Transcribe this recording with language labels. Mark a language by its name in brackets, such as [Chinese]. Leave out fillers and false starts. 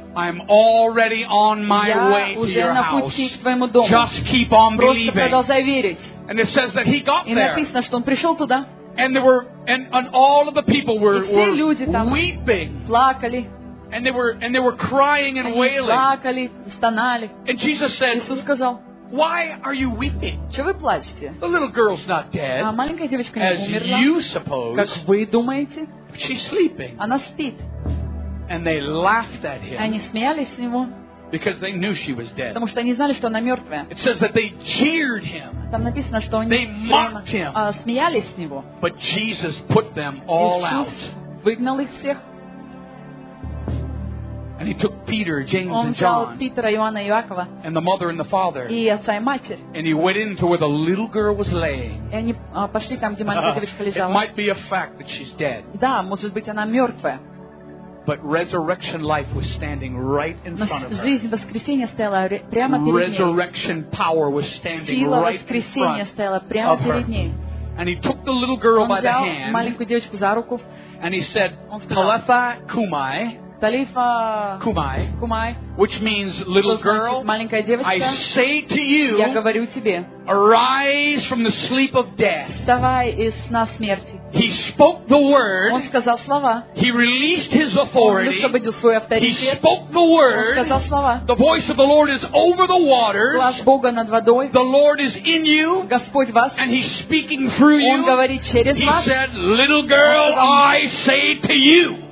[English] I'm already on my way to your house. [Russian] Я уже на пути к твоему дому. [English] Just keep on believing. [Russian] Просто продолжай верить. [English] And it says that he got there. [Russian] И написано, что он пришел туда. [English] And there were and all of the people were weeping. [Russian] Плакали. [English] And they were crying and wailing. [Russian] Плакали, стонали. [English] And Jesus said, [Russian] Иисус сказал, [English] "Why are you weeping? [Russian] Че вы плачете? [English] The little girl's not dead. [Russian] А маленькая девочка не [English] as [Russian] умерла. [English] As you suppose. [Russian] Как вы думаете? [English] She's sleeping. [Russian] Она спит. [English] And they laughed at him. [Russian] Они смеялись с него. [English] Because they knew she was dead. [Russian] Потому что они знали, что она мертвая. [English] It says that they jeered him. [Russian] Там написано, что они [English] they mocked him. [Russian] Смеялись с него. [English] But Jesus put them all out. [Russian] Выгнал их всех. [English] And he took Peter, James, and John. [Russian] Питера, Иоанна, Иакова, [English] and the mother and the father. [Russian] И отца и матерь. [English] And he went into where the little girl was laying. [Russian] И они пошли там, где маленькая девочка лежала. [English] It might be a fact that she's dead. [Russian] Да, может быть, она мертвая. [English] But resurrection life was standing right in front of her. [Russian] Жизнь воскресения стояла прямо перед ней. [English] Resurrection power was standing [Russian] сила [English] right [Russian] воскресения [English] in front [Russian] стояла прямо [English] of [Russian] перед [English] her. [Russian] Ней. [English] And he took the little girl [Russian] он [English] by the hand. [Russian] Маленькую девочку за руку. [English] And he said, [Aramaic] "Talitha kumai." Талифа Кумай, Кумай, [English] which means little girl, [Russian] маленькая девочка, [English] I say to you, [Russian] я говорю тебе, [English] arise from the sleep of death. [Russian] Вставай из сна смерти. [English] He spoke the word. [Russian] Он сказал слова. [English] He released his authority. [Russian] Он высвободил свой авторитет. [English] He spoke the word. [Russian] Он сказал слова. [English] The voice of the Lord is over the waters. [Russian] Глас Бога над водой. [English] The Lord is in you. [Russian] Господь в вас. [English] And he's speaking through you. [Russian] Он говорит через вас. [English] He said, little girl, I say to you.